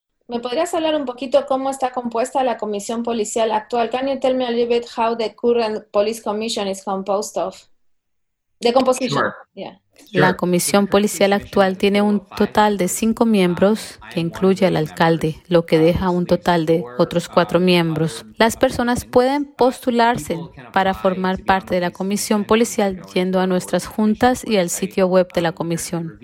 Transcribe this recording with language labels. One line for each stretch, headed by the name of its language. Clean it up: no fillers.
Spanish: ¿Me podrías hablar un poquito cómo está compuesta la comisión policial actual?
English: Can you tell me a little bit how the current police commission is composed of? The composition. Sure. Yeah.
Spanish: La comisión policial actual tiene un total de 5 miembros, que incluye al alcalde, lo que deja un total de otros 4 miembros. Las personas pueden postularse para formar parte de la comisión policial yendo a nuestras juntas y al sitio web de la comisión.